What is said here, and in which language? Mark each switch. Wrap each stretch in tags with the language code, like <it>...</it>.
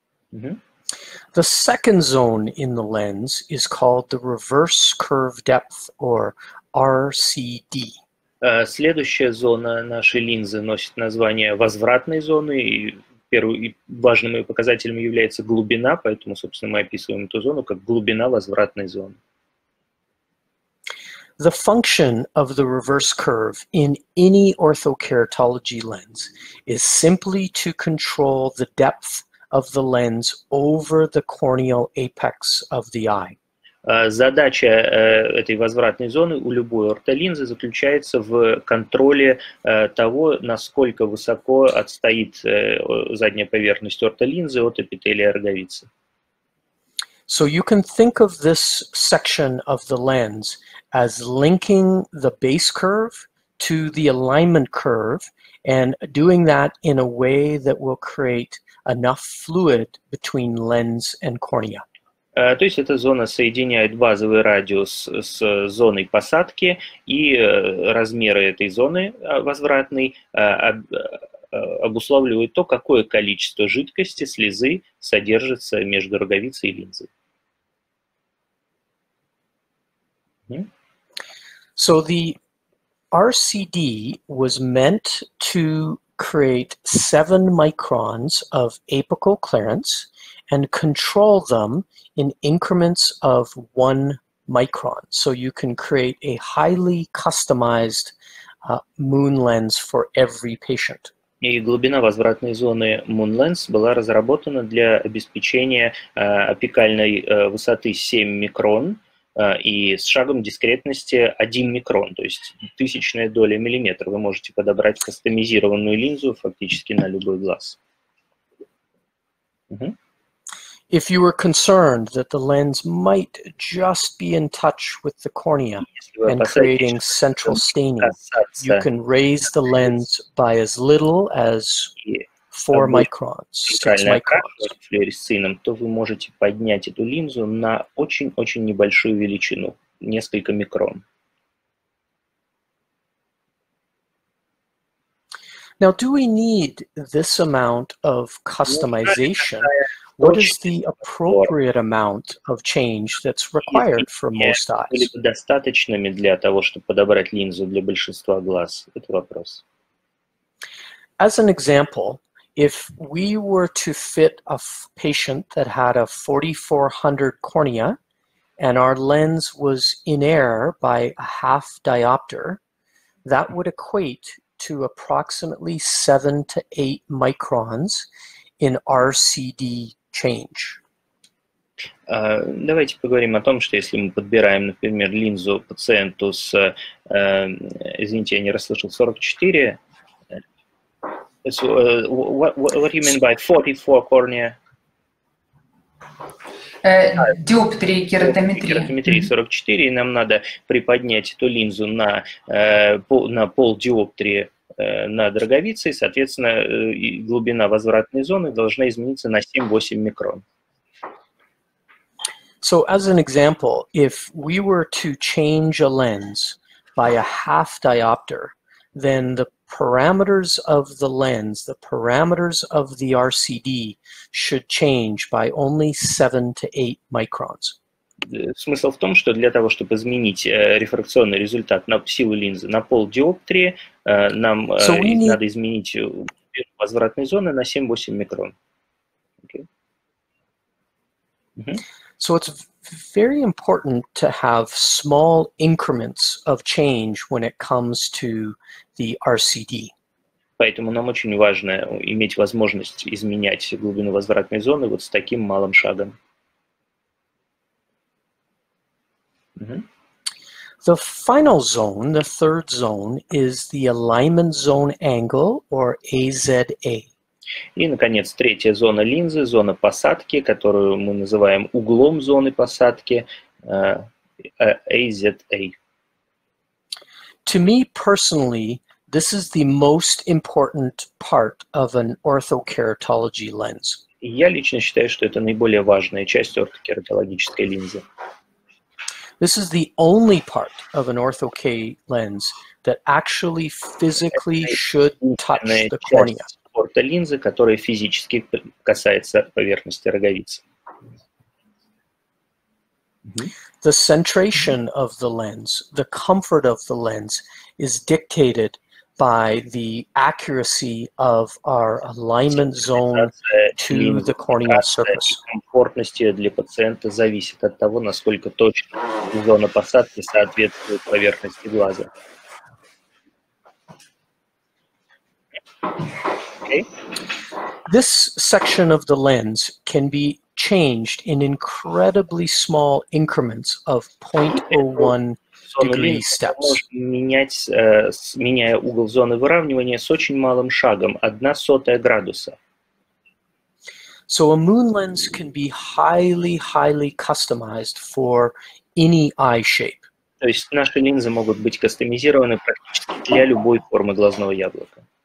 <en>The second zone in the lens is called the reverse curve depth, or RCD.</en> <ru>Следующая зона нашей линзы носит название возвратной зоны, и первым и важным ее показателем является глубина, поэтому, собственно, мы описываем эту зону как глубина возвратной зоны.</ru> <en>The function of the reverse curve in any orthokeratology lens is simply to control the depth of the lens over the corneal apex of the eye.</en> <ru>Задача этой возвратной зоны у любой ортолинзы заключается в контроле того, насколько высоко отстоит задняя поверхность ортолинзы от эпителия роговицы.</ru> <en>So you can think of this section of the lens as linking the base curve to the alignment curve and doing that in a way that will create enough fluid between lens and cornea.</en> <ru>То есть эта зона соединяет базовый радиус с зоной посадки, и размеры этой зоны возвратной обуславливают то, какое количество жидкости, слезы содержится между роговицей и линзой.</ru> <en>So the RCD was meant to create 7 microns of apical clearance and control them in increments of 1 micron. So you can create a highly customized moon lens for every patient.</en> <ru>И глубина возвратной зоны MoonLens была разработана для обеспечения апикальной высоты 7 микрон и с шагом дискретности 1 микрон, то есть тысячная доля миллиметра. Вы можете подобрать кастомизированную линзу фактически на любой глаз.</ru> <en>If you were concerned that the lens might just be in touch with the cornea and creating central staining, you can raise the lens by as little as 4 microns, 6 microns.</en> <ru>Флуоресцином, то вы можете поднять эту линзу на очень-очень небольшую величину, несколько микрон.</ru> <en>Now, do we need this amount of customization? What is the appropriate amount of change that's required for most eyes?</en> <ru>Были бы достаточными для того, чтобы подобрать линзу для большинства глаз? Это вопрос.</ru> <en>As an example, if we were to fit a patient that had a 4400 cornea and our lens was in error by a half diopter, that would equate to approximately 7 to 8 microns in RCD change.</en> <ru>Давайте поговорим о том, что если мы подбираем, например, линзу пациенту с, извините, я не расслышал, 44.</ru> <en>What do you mean by 44 cornea?</en> <ru>Диоптрия, кератометрия. Кератометрия 44, и нам надо приподнять эту линзу на полдиоптрии на дроговице, и, соответственно, глубина возвратной зоны должна измениться на 7-8 микрон.</ru> <en>So, as an example, if we were to change a lens by a half diopter, then the parameters of the lens, the parameters of the RCD should change by only 7-8 microns.</en> <ru>Смысл в том, что для того, чтобы изменить рефракционный результат на силу линзы на полдиоптрии, нам надо изменить возвратной зоны на 7-8 микрон.</ru> <en>Okay. Mm-hmm. So it's very important to have small increments of change when it comes to the RCD.</en> <ru>Поэтому нам очень важно иметь возможность изменять глубину возвратной зоны вот с таким малым шагом.</ru> <en>The final zone, the third zone, is the alignment zone angle, or AZA.</en> <ru>И, наконец, третья зона линзы, зона посадки, которую мы называем углом зоны посадки, AZA.</ru> <en>To me personally, this is the most important part of an orthokeratology lens.</en> <ru>Я лично считаю, что это наиболее важная часть орто-кератологической линзы.</ru> <en>This is the only part of an ortho-K lens that actually physically should touch the cornea.</en> <ru>Ортолинзы, которая физически касается поверхности роговицы.</ru> <en>The centration of the lens, the comfort of the lens is dictated by the accuracy of our alignment zone to the corneal surface.</en> <ru>Комфортность для пациента зависит от того, насколько точно зона посадки соответствует поверхности глаза.</ru> <en>Okay. This section of the lens can be changed in incredibly small increments of 0.01 degree steps.</en> <ru>Меняя угол зоны выравнивания с очень малым шагом, 0.01 градуса.</ru> <en>So a moon lens can be highly, highly customized for any eye shape.</en> <ru>То есть наши линзы могут быть кастомизированы практически для любой формы глазного яблока.</ru>